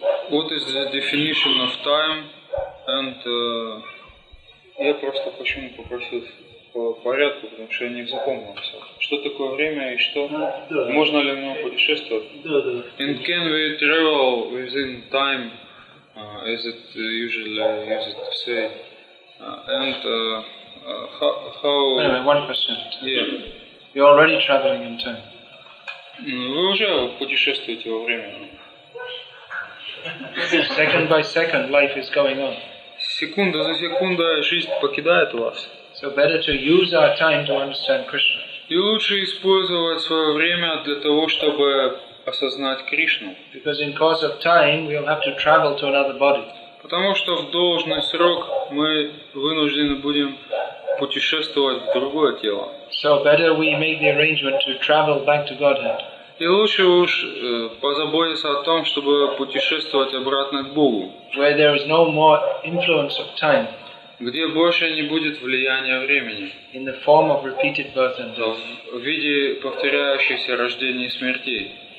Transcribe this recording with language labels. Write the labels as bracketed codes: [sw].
[en] What is the definition of time? [ru] And я просто почему попросил по порядку, потому что я не запомнил все. Что такое время и что? Да. Можно ли мне путешествовать? Да. [en] And can we travel within time? As it usually used to say. How? Anyway, one question. Yeah. You're already traveling in time. [ru] Вы уже путешествуете во времени. [en] Second by second, life is going on. [ru] Секунда за секундой жизнь покидает вас. [en] So better to use our time to understand Krishna. [ru] И лучше использовать свое время для того, чтобы осознать Кришну. [en] Because in course of time, we'll have to travel to another body. [ru] Потому что в должный срок мы вынуждены будем путешествовать в другое тело. [en] So better we make the arrangement to travel back to Godhead. [ru] И лучше уж позаботиться о том, чтобы путешествовать обратно к Богу. [en] Where there is no more influence of time. [ru] Где больше не будет влияния времени. [en] In the form of repeated birth and death. [ru] В виде повторяющихся рождений и смертей.